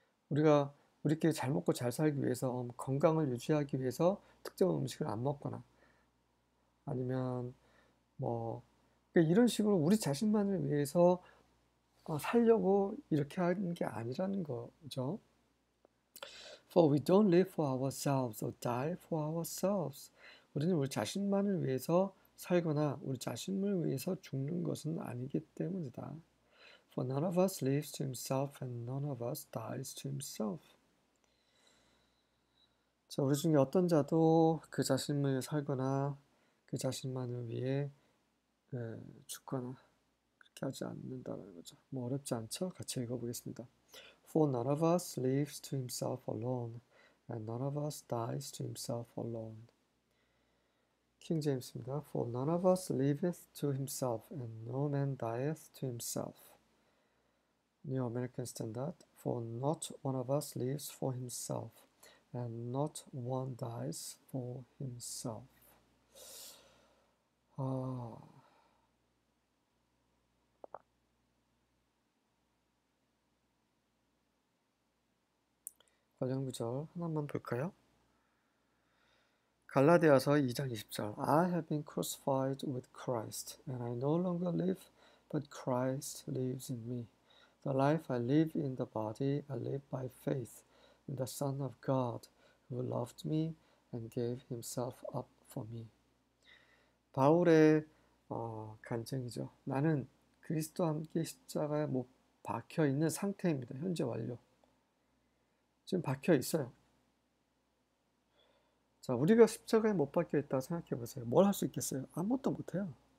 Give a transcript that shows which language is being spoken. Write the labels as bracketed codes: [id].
[ko] 우리가 우리끼리 잘 먹고 잘 살기 위해서 건강을 유지하기 위해서 특정 음식을 안 먹거나 아니면 뭐 이런 식으로 우리 자신만을 위해서 살려고 이렇게 하는 게 아니라는 거죠. [en] For we don't live for ourselves or die for ourselves. [ko] 우리는 우리 자신만을 위해서 살거나 우리 자신을 위해서 죽는 것은 아니기 때문이다. [en] For none of us lives to himself and none of us dies to himself. [ko] 자, 우리 중에 어떤 자도 그 자신을 살거나 그 자신만을 위해 죽거나 그렇게 하지 않는다는 거죠. 뭐 어렵지 않죠? 같이 읽어보겠습니다. [en] For none of us lives to himself alone, and none of us dies to himself alone. King James입니다. For none of us liveth to himself, and no man dieth to himself. New American Standard. For not one of us lives for himself, and not one dies for himself. [ko] 관련 구절 하나만 볼까요? 갈라디아서 2장 20절. [en] I have been crucified with Christ, and I no longer live, but Christ lives in me. The life I live in the body, I live by faith in the Son of God, who loved me and gave himself up for me. [ko] 바울의 간증이죠. 나는 그리스도와 함께 십자가에 못 박혀 있는 상태입니다. 현재 완료. 지금 박혀 있어요. 자, 우리가 십자가에 못 박혀 있다 생각해 보세요. 뭘할수 있겠어요? 아무것도 못 해요.